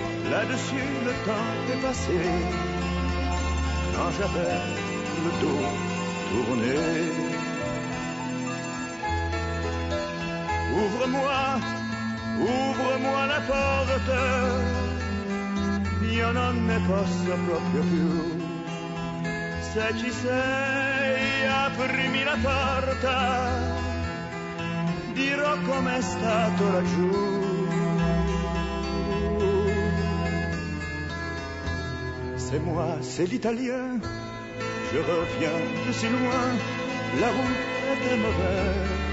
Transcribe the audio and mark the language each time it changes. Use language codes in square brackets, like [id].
[fr] Là-dessus, le temps est passé, quand j'avais le dos tourné. Ouvre-moi, ouvre-moi la porte, y'en a mes postes à propre vue. [it] Se ci sei, aprimi la porta, dirò com'è stato laggiù. [fr] C'est moi, c'est l'Italien, je reviens de si loin, la route était mauvaise.